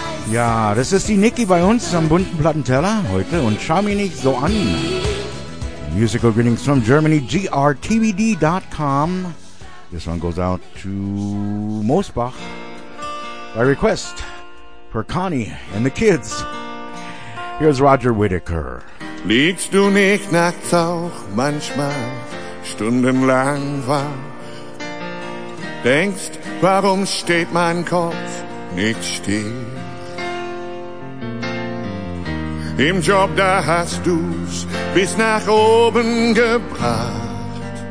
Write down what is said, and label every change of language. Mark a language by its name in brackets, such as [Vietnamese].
[German] Ja, das ist die Niki bei uns am bunten Plattenteller heute und schau mich nicht so an. [English] Musical greetings from Germany, grtvd.com. This one goes out to Mosbach by request for Connie and the kids. Here's Roger Whittaker. [German] Liegst du nicht nachts auch manchmal stundenlang wach? Denkst, warum steht mein Kopf nicht still? Im Job, da hast du's bis nach oben gebracht.